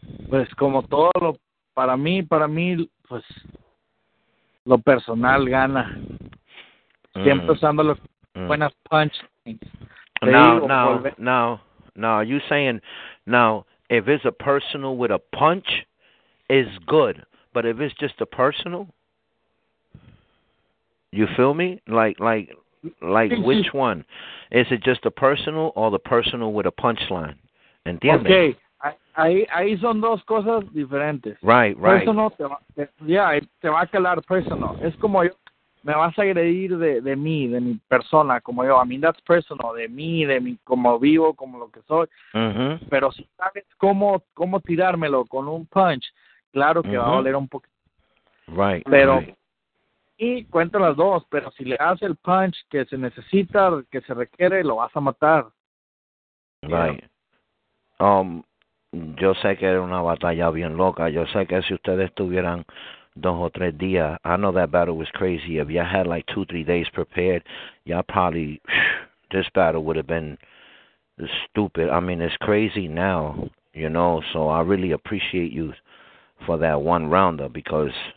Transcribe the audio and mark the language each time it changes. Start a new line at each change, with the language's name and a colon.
Spanish: Pues como todo lo para mí pues lo personal gana. Siempre usando los buenas punchlines.
English: Now, if it's a personal with a punch, it's good. But if it's just a personal, you feel me? Like which one? Is it just a personal or the personal with a punchline?
Spanish: ¿Entiendes? Okay, ahí son dos cosas diferentes.
English: Right.
Spanish: Personal, te va a calar personal. Es como yo. Me vas a agredir de mí, de mi persona, como yo.
English: I mean, that's personal,
Spanish: de mí, de mí, como vivo, como lo que soy. Uh-huh. Pero si sabes cómo tirármelo con un punch, claro que va a doler un poquito.
English: Right.
Spanish: Pero,
English: right.
Spanish: Y cuento las dos, pero si le das el punch que se necesita, que se requiere, lo vas a matar.
English: Right.
Spanish: Yo sé que era una batalla bien loca. Yo sé que si ustedes tuvieran... dos o tres días.
English: I know that battle was crazy. If y'all had like 2-3 days prepared, y'all probably, this battle would have been stupid. I mean, it's crazy now, you know, so I really appreciate you for that one rounder because